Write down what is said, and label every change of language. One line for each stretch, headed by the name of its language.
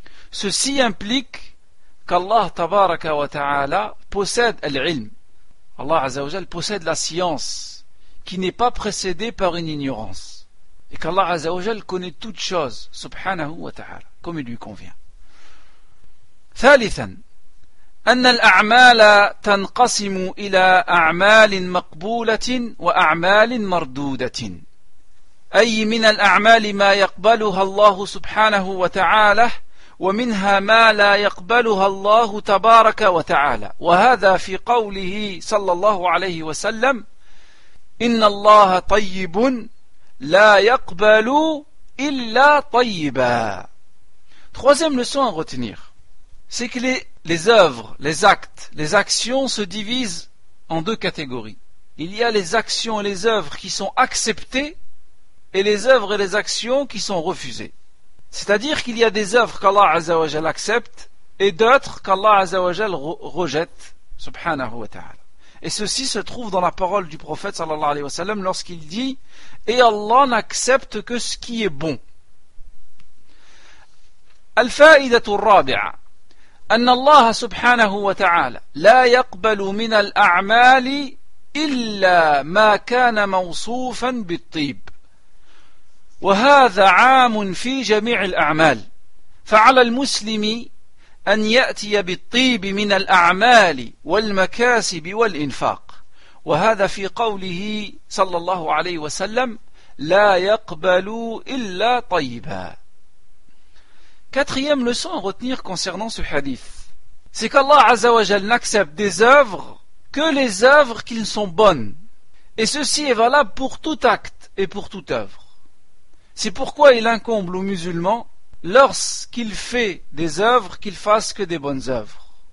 French: Ceci implique qu'Allah tabaraka wa ta'ala possède Al-Ilm. Allah azza wa jal possède la science qui n'est pas précédée par une ignorance. Et qu'Allah azza wa jal connaît toutes choses, subhanahu wa ta'ala, comme il lui convient.
Arabic: Thalithan, أن الأعمال تنقسم إلى أعمال مقبولة وأعمال مردودة أي من الأعمال ما يقبلها الله سبحانه وتعالى ومنها ما لا يقبلها الله تبارك وتعالى وهذا في قوله صلى الله عليه وسلم إن الله طيب لا يقبل إلا طيبا.
French: Troisième leçon à retenir, c'est que les œuvres, les actes, les actions se divisent en deux catégories. Il y a les actions et les œuvres qui sont acceptées et les œuvres et les actions qui sont refusées. C'est-à-dire qu'il y a des œuvres qu'Allah Azza wa Jal accepte et d'autres qu'Allah Azza wa Jal rejette, subhanahu wa ta'ala. Et ceci se trouve dans la parole du prophète sallallahu alayhi wa sallam lorsqu'il dit « Et Allah n'accepte que ce qui est bon ».
Arabic: Al-fa'idatu rabi'a. أن الله سبحانه وتعالى لا يقبل من الأعمال إلا ما كان موصوفا بالطيب وهذا عام في جميع الأعمال فعلى المسلم أن يأتي بالطيب من الأعمال والمكاسب والإنفاق وهذا في قوله صلى الله عليه وسلم لا يقبل إلا طيبا.
French: Quatrième leçon à retenir concernant ce hadith, c'est qu'Allah Azza wa Jal n'accepte des œuvres que les œuvres qui sont bonnes. Et ceci est valable pour tout acte et pour toute œuvre. C'est pourquoi il incombe aux musulmans, lorsqu'il fait des œuvres, qu'il fasse que des bonnes œuvres.